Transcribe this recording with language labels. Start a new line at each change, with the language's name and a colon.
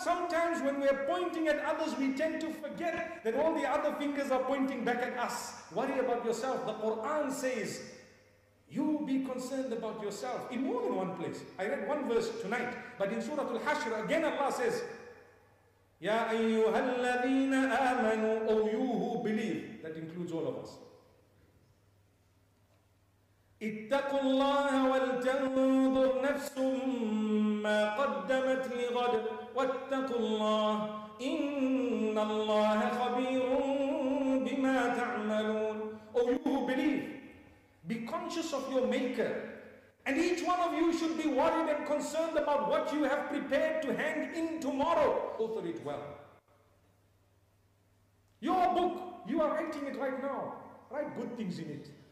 English: Sometimes when we're pointing at others, we tend to forget that all the other fingers are pointing back at us. Worry about yourself. The Quran says, you be concerned about yourself in more than one place. I read one verse tonight, but in Surah Al-Hashr, again Allah says,
Arabic: Ya أَيُّهَا الَّذِينَ آمَنُوا,
English: O you who believe, that includes all of us.
Arabic: اتقوا الله ولتنظر نفس ما قدمت لغد واتقوا الله إن الله خبير بما تعملون.
English: Oh, you who believe, be conscious of your Maker. And each one of you should be worried and concerned about what you have prepared to hand in tomorrow. Author it well. Your book, you are writing it right now. Write good things in it.